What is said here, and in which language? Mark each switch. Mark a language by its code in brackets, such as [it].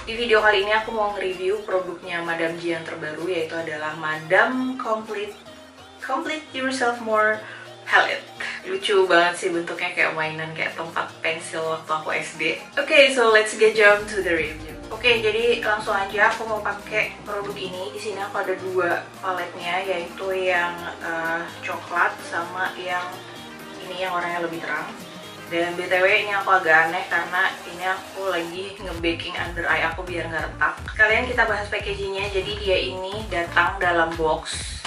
[id] Di video kali ini aku mau nge-review produknya Madame G yang terbaru, yaitu adalah Madame Complete Yourself More Palette. Lucu banget sih bentuknya, kayak mainan, kayak tempat pensil waktu aku SD. [en] Okay, so let's get jump to the review. [id] Okay, jadi langsung aja aku mau pakai produk ini. Di sini aku ada dua paletnya, yaitu yang coklat sama yang ini yang warnanya lebih terang. Dan BTW ini aku agak aneh karena ini aku lagi nge-baking under eye aku biar gak retak. Kalian kita bahas packagingnya, jadi dia ini datang dalam box.